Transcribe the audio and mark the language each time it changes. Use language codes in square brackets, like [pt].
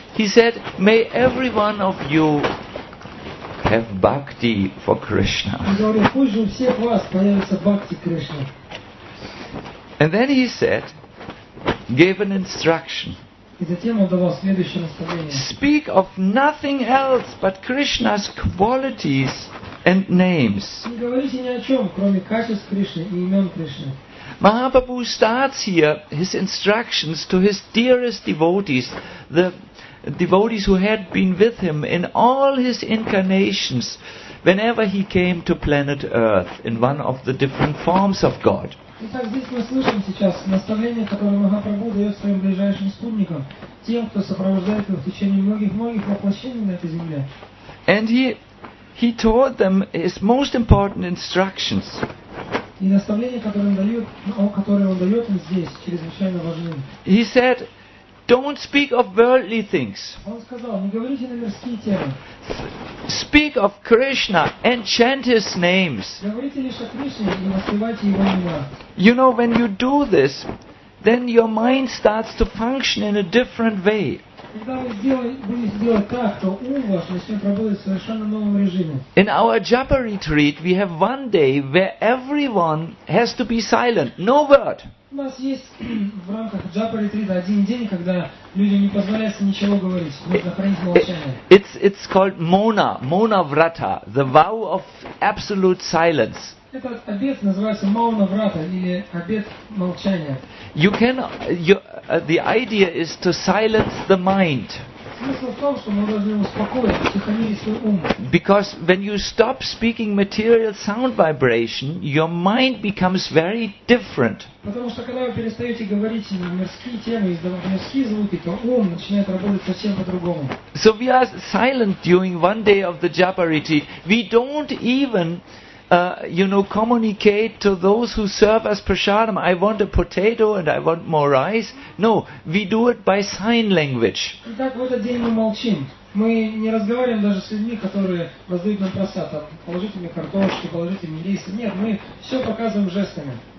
[en] He said, may every one of you have bhakti for Krishna. [ru] Он говорил, пусть же у всех вас появится бхакти Кришна. [en] And then he said, gave an instruction. [ru] И затем он давал следующее наставление. [en] Speak of nothing else but Krishna's qualities and names. [ru] Не говорите ни о чем, кроме качеств Кришны и имен Кришны. [en] Mahaprabhu starts here his instructions to his dearest devotees, the devotees who had been with him in all his incarnations, whenever he came to planet Earth in one of the different forms of God. [ru] Итак, здесь мы слышим сейчас наставление, которое Махапрабху дает своим ближайшим спутникам, тем, кто сопровождает его в течение многих-многих воплощений на этой земле. [en] And he taught them his most important instructions. [ru] И наставления, которые он дает им здесь, чрезвычайно важны. [en] He said, don't speak of worldly things. [ru] Он сказал, не говорите на мирские темы. [en] Speak of Krishna and chant his names. [ru] Говорите лишь о Кришне и воспевайте его имена. [en] You know, when you do this, then your mind starts to function in a different way. [ru] Когда вы будете делать так, то ум ваш начнет работать в совершенно новом режиме. [en] In our japa retreat, we have one day where everyone has to be silent, no word. [ru] У нас есть в рамках japa retreat один день, когда людям не позволяется ничего говорить, нужно хранить молчание. [en] It's called mona, mona vrata, the vow of absolute silence. [ru] Этот обет называется mona vrata или обет молчания. [en] You can. The idea is to silence the mind. [ru] Смысл в том, что мы должны успокоить, утихомирить свой ум. [en] Because when you stop speaking material sound vibration, your mind becomes very different. [ru] Потому что когда вы перестаете говорить на мирские темы, издавать мирские звуки, то ум начинает работать совсем по-другому. [en] So we are silent during one day of the japa retreat. We don't even communicate to those who serve us prasadam. I want a potato and I want more rice. No, we do it by sign language. [ru] Итак, в этот день мы молчим. Мы не разговариваем даже с людьми, которые раздают нам просад. Положите мне картошки, положите мне рис. Нет, мы все показываем жестами.